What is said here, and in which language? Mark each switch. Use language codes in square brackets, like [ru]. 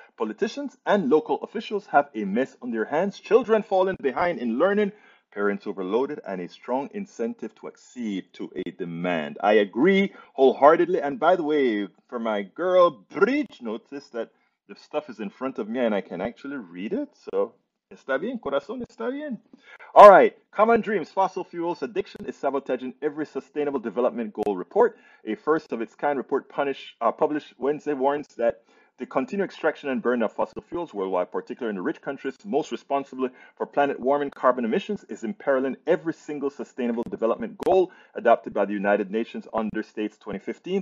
[en] Politicians and local officials have a mess on their hands. Children falling behind in learning, parents overloaded, and a strong incentive to accede to a demand. I agree wholeheartedly. And by the way, for my girl Bridge, notice that the stuff is in front of me and I can actually read it. [es] So, está bien, corazón, está bien. [en] All right, common dreams, fossil fuels addiction is sabotaging every sustainable development goal report. A first of its kind report published Wednesday warns that the continued extraction and burn of fossil fuels worldwide, particularly in the rich countries most responsible for planet warming carbon emissions, is imperiling every single sustainable development goal adopted by the United Nations under States 2015.